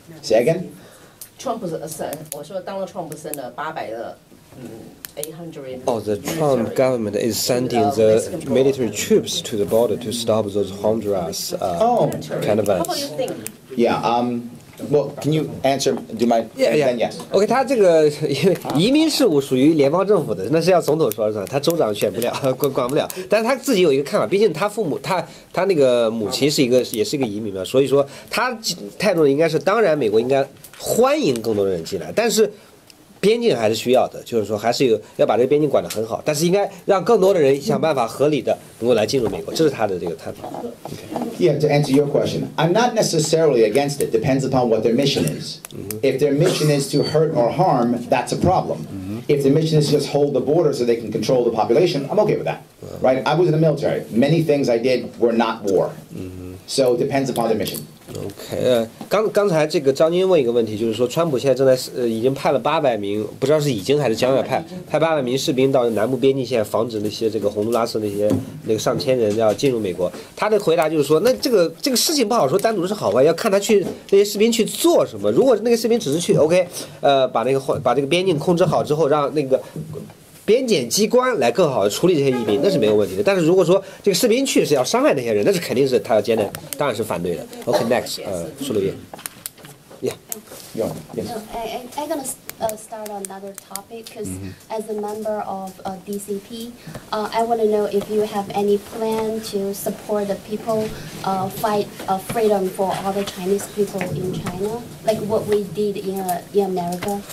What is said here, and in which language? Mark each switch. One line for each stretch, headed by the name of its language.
English: Say again? Trump said Donald Trump sent 800. Oh, the Trump government is sending the military troops to the border to stop those Honduras caravans. Yeah, well, can you answer? Do my yes.
Chinese: Okay, 他这个移民事务属于联邦政府的，那是要总统说了算，他州长选不了，管不了。但他自己有一个看法，毕竟他父母，他那个母亲是一个，也是一个移民嘛，所以说他态度应该是，当然美国应该欢迎更多的人进来，但是。边境还是需要的，就是说还是有要把这个边境管得很好，但是应该让更多的人想办法合理的能够来进入美国，这是他的这个探讨。
English: Okay. Yeah, to answer your question, I'm not necessarily against it. Depends upon what their mission is. If their mission is to hurt or harm, that's a problem. If their mission is just hold the border so they can control the population, I'm okay with that. Right? I was in the military. Many things I did were not war. So it depends upon their mission.
Chinese: OK， 刚才这个张军问一个问题，就是说川普现在正在已经派了800名，不知道是已经还是将要派800名士兵到南部边境线，防止那些这个洪都拉斯那些那个上千人要进入美国。他的回答就是说，那这个事情不好说，单独是好坏，要看他去那些士兵去做什么。如果那个士兵只是去 OK， 把这个边境控制好之后，让那个边检机关来更好的处理这些移民，那是没有问题的。但是如果说这个士兵去是要伤害那些人，那是肯定是他要坚持，当然是反对的。
English: OK, next, 苏鲁叶。Yeah. I'm going to start on another topic, because as a member of DCP, I want to know if you have any plan to support the people fight freedom for all the Chinese people in China, like what we did in America.